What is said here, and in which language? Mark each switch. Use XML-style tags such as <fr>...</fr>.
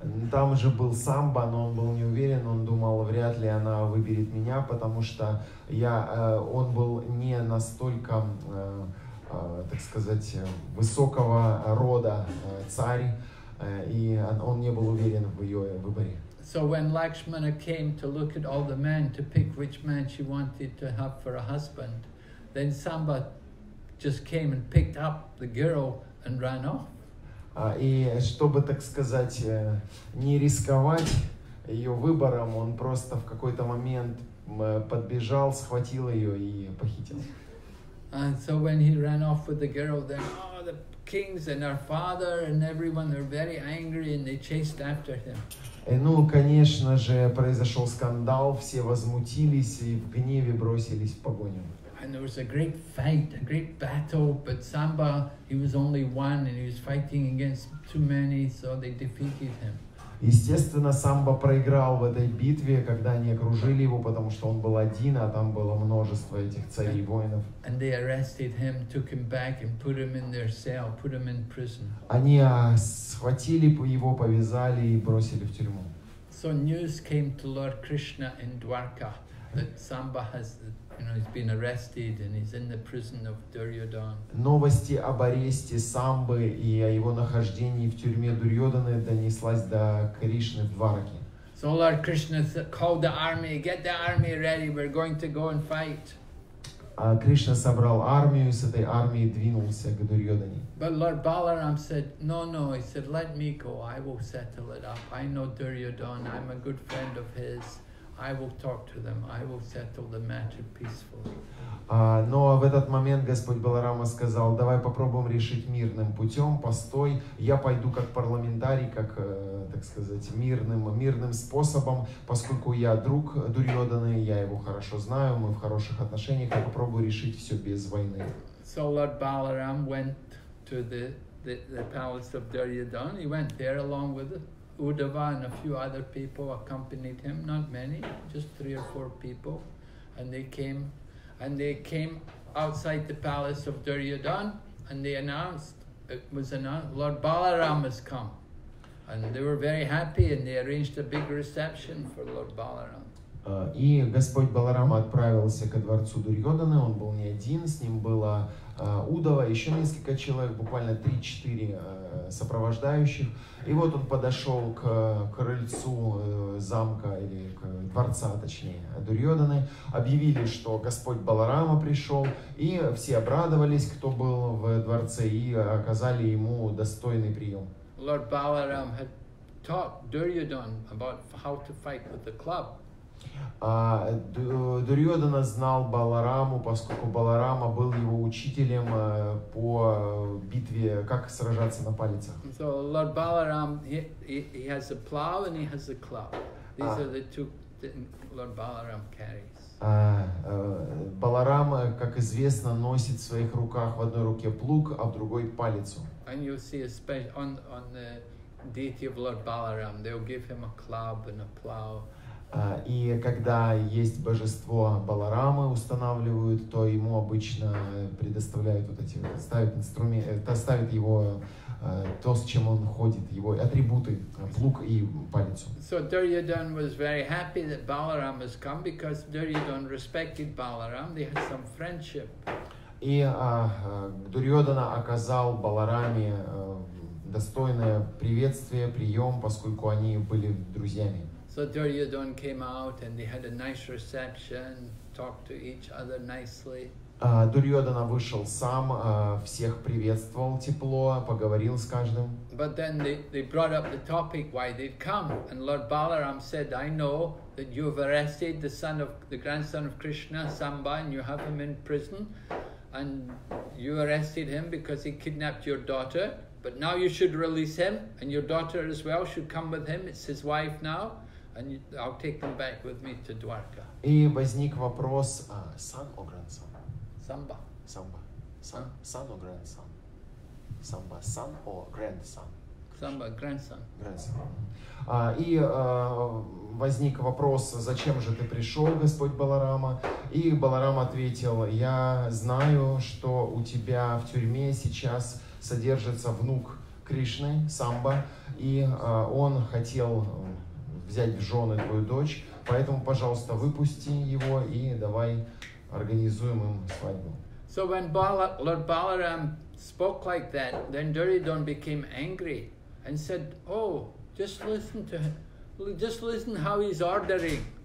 <ru>Там же был Самба, но он был не уверен, он думал, вряд ли она выберет меня, потому что он был не настолько, так сказать, высокого рода царь, и он не был уверен в ее выборе.</ru> <en>So when Lakshmana came to look at all the men, to pick which man she wanted to have for a husband, then Samba just came and picked up the girl and ran off.</en> <ru>И чтобы, так сказать, не рисковать ее выбором, он просто в какой-то момент подбежал, схватил ее и похитил.</ru> <en>And so when he ran off with the girl, then all the kings and her father and everyone were very angry and they chased after him.</en> <ru>И, ну, конечно же, произошел скандал, все возмутились и в гневе бросились в погоню.</ru> <en>And there was a great fight, a great battle, but Samba, he was only one, and he was fighting against too many, so they defeated him.</en> <ru>Естественно, Самба проиграл в этой битве, когда они окружили его, потому что он был один, а там было множество этих царей воинов.</ru> <en>And they arrested him, took him back, and put him in their cell, put him in prison.</en> <ru>Они схватили его, повязали и бросили в тюрьму.</ru> <en>So news came to Lord Krishna in Dwarka that Samba has. You know, he's been arrested and he's in the prison of Duryodhan.</en> <ru>Новости об аресте Самбы и о его нахождении в тюрьме Дурьодханы донеслась до Кришны в Двараке.</ru> <en>So Lord Krishna called the army, get the army ready, we're going to go and fight.</en> <ru>Кришна собрал армию, с этой армией двинулся к Дурьодхане.</ru> <en>But Lord Balaram said, no, he said, let me go, I will settle it up. I know Duryodhan, I'm a good friend of his. I will talk to them. I will settle the matter peacefully.</en> <ru>Но в этот момент Господь Баларама сказал: "Давай попробуем решить мирным путем. Постой, я пойду как парламентарий, как, так сказать, мирным способом, поскольку я друг Дурьодханы, я его хорошо знаю, мы в хороших отношениях. Я попробую решить все без войны."</ru> <en>So Lord Balaram went to the palace of Duryodhan. He went there along with the Uddhava and a few other people accompanied him, not many, just 3 or 4 people, and they came outside the palace of Duryodhan, and they announced, it was announced, Lord Balaram has come, and they were very happy, and they arranged a big reception for Lord Balaram.</en> <ru>И Господь Баларама отправился ко дворцу Дурьодханы, он был не один, с ним было Удава, еще несколько человек, буквально 3-4 сопровождающих. И вот он подошел к крыльцу замка, или к дворца, точнее, Дурьодханы, объявили, что Господь Баларама пришел, и все обрадовались, кто был в дворце, и оказали ему достойный прием.</ru> <en>Lord Balaram had taught Duryodhan about how to fight with the club.</en> <ru>Дурьодана знал Балараму, поскольку Баларама был его учителем по битве, как сражаться на палицах.</ru> <en>So Lord Balaram, he has a plow and he has a club. These are the two things Lord Balaram carries.</en> <ru>Баларама, как известно, носит в своих руках в одной руке плуг, а в другой палицу.</ru> <en>And you see a special on the deity of Lord Balaram, they'll give him a club and a plow.</en> <ru>И когда есть божество Баларамы, устанавливают, то ему обычно предоставляют вот эти, ставят инструмент, ставят его то, с чем он ходит, его атрибуты, плуг и палицу.</ru> <en>So Duryodhan was very happy that Balaram has come because Duryodhan respected Balaram. They had some friendship.</en> <ru>И Дурьодана оказал Балараме достойное приветствие, прием, поскольку они были друзьями.</ru> <en>So Duryodhan came out and they had a nice reception, talked to each other nicely.</en> <ru>Дурьодана вышел сам, всех приветствовал тепло, поговорил с каждым.</ru> <en>But then they brought up the topic why they'd come, and Lord Balaram said, I know that you've arrested the grandson of Krishna, Samba, and you have him in prison, and you arrested him because he kidnapped your daughter, but now you should release him, and your daughter as well should come with him, it's his wife now. And I'll take them back with me to Dwarka.</en> <ru>И возник вопрос,</ru> <en>son or grandson? Samba. Samba. Son or grandson? Samba, son or grandson? Samba, grandson. Grandson.</en> <ru>Возник вопрос, зачем же ты пришел, Господь Баларама? И Баларама ответил, я знаю, что у тебя в тюрьме сейчас содержится внук Кришны, Самба, и он хотел взять в жены твою дочь, поэтому, пожалуйста, выпусти его и давай организуем им свадьбу.</ru> <en>So when Lord Balaram spoke like that, then Duryodhan became angry and said, oh, just listen how he's ordering.</en>